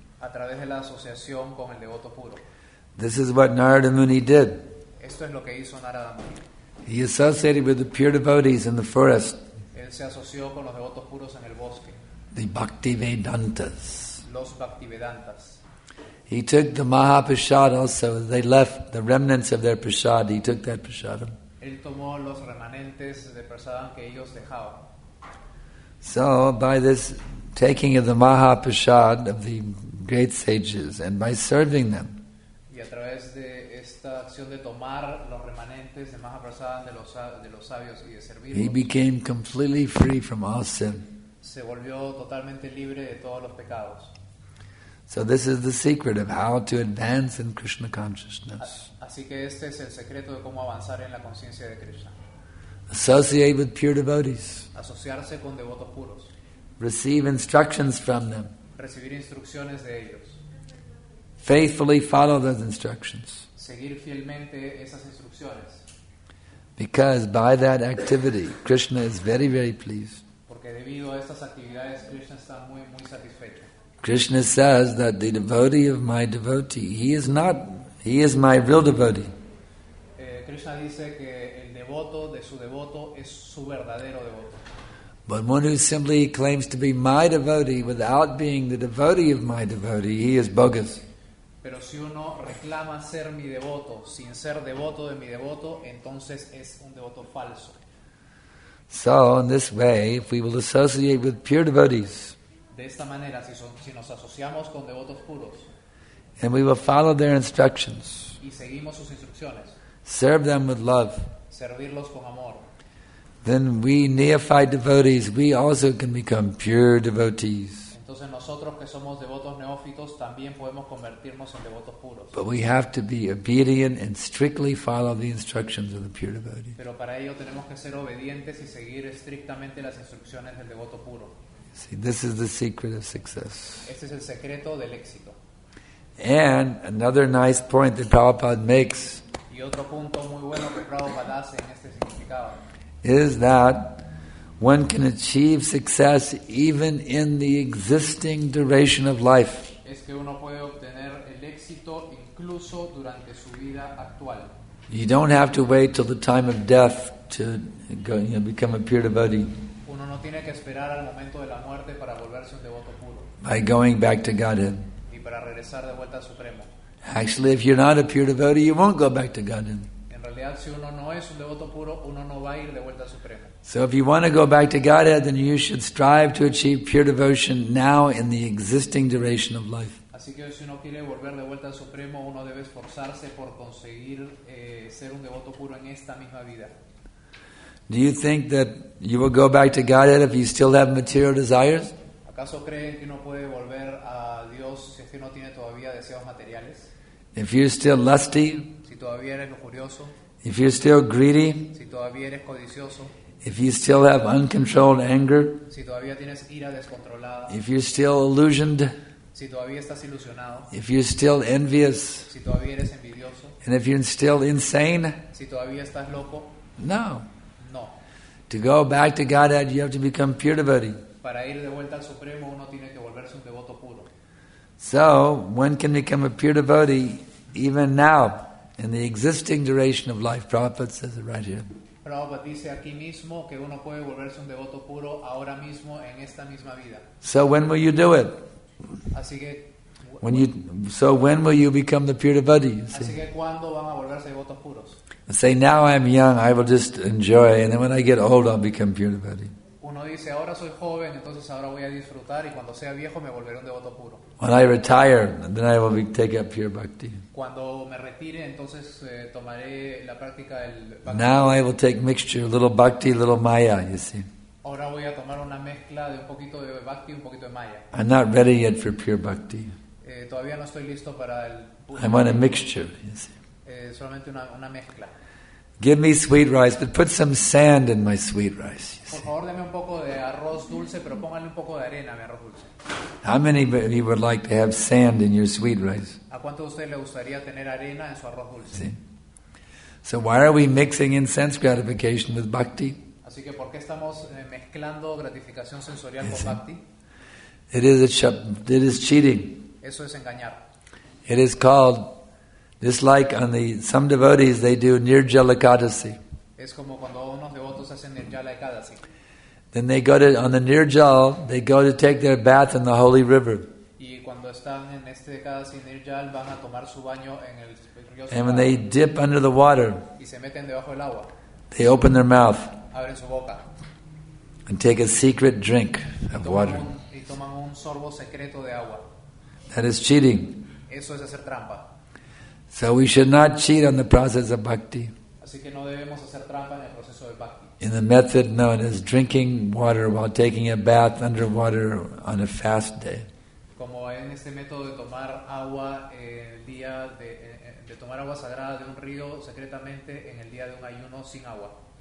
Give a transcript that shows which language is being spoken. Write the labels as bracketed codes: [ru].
[es] A través de la asociación con el devoto puro. [en] This is what Narada Muni did. [es] Esto es lo que hizo Narada Muni. [en] He associated with the pure devotees in the forest. [es] Él se asoció con los devotos puros en el bosque. [en] The Bhaktivedantas. [es] Los Bhaktivedantas. [en] He took the Mahaprasad also. They left the remnants of their prasad. He took that prasadam. [es] Él tomó los remanentes de prasadam que ellos dejaban. [en] So by this taking of the Mahaprasad of the great sages and by serving them, [es] y a través de esta acción de tomar los remanentes de Mahaprasadam de los sabios y de servirlos, [en] he became completely free from all sin. [es] Se volvió totalmente libre de todos los pecados. [en] So this is the secret of how to advance in Krishna consciousness. [es] Así que este es el secreto de cómo avanzar en la conciencia de Krishna. [en] Associate with pure devotees. [es] Asociarse con devotos puros. [en] Receive instructions from them. [es] Recibir instrucciones de ellos. [en] Faithfully follow those instructions. [es] Seguir fielmente esas instrucciones. [en] Because by that activity, Krishna is very, very pleased. [es] Porque debido a estas actividades, Krishna está muy, muy satisfecho. [en] Krishna says that the devotee of my devotee, he is my real devotee. [es] Krishna dice que el devoto de su devoto es su verdadero devoto. [en] But one who simply claims to be my devotee without being the devotee of my devotee, he is bogus. [es] Pero si uno reclama ser mi devoto sin ser devoto de mi devoto, entonces es un devoto falso. [en] So in this way, if we will associate with pure devotees, [es] de esta manera, si nos asociamos con devotos puros, [en] and we will follow their instructions, [es] y seguimos sus instrucciones, [en] serve them with love, [es] servirlos con amor, [en] then we neophyte devotees, we also can become pure devotees. [es] Entonces nosotros que somos devotos neófitos también podemos convertirnos en devotos puros. [en] But we have to be obedient and strictly follow the instructions of the pure devotee. [es] Pero para ello tenemos que ser obedientes y seguir estrictamente las instrucciones del devoto puro. [en] See, this is the secret of success. [es] Este es el secreto del éxito. [en] And another nice point that Prabhupada makes, [es] y otro punto muy bueno que Prabhupada hace en este significado, [en] is that one can achieve success even in the existing duration of life. [es] Es que uno puede obtener el éxito incluso durante su vida actual. [en] You don't have to wait till the time of death to go, you know, become a pure devotee. [es] Uno no tiene que esperar al momento de la muerte para volverse un devoto puro. [en] By going back to Godhead. [es] Y para regresar de vuelta al Supremo. [en] Actually, if you're not a pure devotee, you won't go back to Godhead. [es] En realidad, realidad, si uno no es un devoto puro, uno no va a ir de vuelta al Supremo. [en] So if you want to go back to Godhead, then you should strive to achieve pure devotion now in the existing duration of life. [es] Así que si uno quiere volver de vuelta al Supremo, uno debe esforzarse por conseguir ser un devoto puro en esta misma vida. [en] Do you think that you will go back to Godhead if you still have material desires? [es] ¿Acaso creen que uno puede volver a Dios si es que uno tiene todavía deseos materiales? [en] If you're still lusty, [es] si todavía eres lujurioso, [en] if you're still greedy, [es] si todavía eres codicioso, [en] if you still have uncontrolled anger, [es] si todavía tienes ira descontrolada, [en] if you're still illusioned, [es] si todavía estás ilusionado, [en] if you're still envious, [es] si todavía eres envidioso, [en] and if you're still insane, [es] si todavía estás loco, [en] no. [es] No. [en] To go back to Godhead, you have to become pure devotee. [es] Para ir de vuelta al Supremo, uno tiene que volverse un devoto puro. [en] So, one can become a pure devotee even now in the existing duration of life. Prabhupada says it right here. [es] Prabhupada dice aquí mismo que uno puede volverse un devoto puro ahora mismo en esta misma vida. [en] So when will you do it? [es] Así que, [en] when will you become the pure devotee? [es] Así que ¿cuándo van a volverse devotos puros? [en] Say now I'm young, I will just enjoy, and then when I get old, I'll become pure devotee. [es] Uno dice ahora soy joven, entonces ahora voy a disfrutar y cuando sea viejo me volveré un devoto puro. [en] When I retire, then I will take up pure bhakti. [es] Cuando me retire, entonces tomaré la práctica del [en] bhakti. Now I will take mixture, little bhakti, little maya, you see. [es] Ahora voy a tomar una mezcla de un poquito de bhakti y un poquito de maya. [en] I'm not ready yet for pure bhakti. [es] Todavía no estoy listo para el puro. [en] I want a mixture, you see. [es] Solamente una mezcla. [en] Give me sweet rice, but put some sand in my sweet rice. [es] Por favor, deme un poco de arroz dulce, pero póngale un poco de arena a mi arroz dulce. [en] How many of you would like to have sand in your sweet rice? [es] ¿A cuánto de ustedes le gustaría tener arena en su arroz dulce? Sí. [en] So why are we mixing incense gratification with bhakti? [es] Así que ¿por qué estamos mezclando gratificación sensorial con bhakti? [en] It is cheating. [es] Eso es engañar. [en] It is called, just like on the some devotees they do Nirjala Ekadasi. [es] Es como cuando unos devotos hacen Nirjala Ekadasi. [en] Then they go to on the Nirjal, they go to take their bath in the holy river. [es] Y cuando están en este Ekadasi Nirjal van a tomar su baño en el río. [en] And when they dip under the water, [es] y se meten debajo del agua, [en] they open their mouth, [es] abren su boca, [en] and take a secret drink of the water. [es] Y toman un sorbo secreto de agua. [en] That is cheating. [es] Eso es hacer trampa. [en] So we should not cheat on the process of bhakti. [es] Así que no debemos hacer trampa en el proceso de bhakti. [en] In the method known as drinking water while taking a bath underwater on a fast day. [es] Como en este método de tomar agua el día de tomar agua sagrada de un río secretamente en el día de un ayuno sin agua.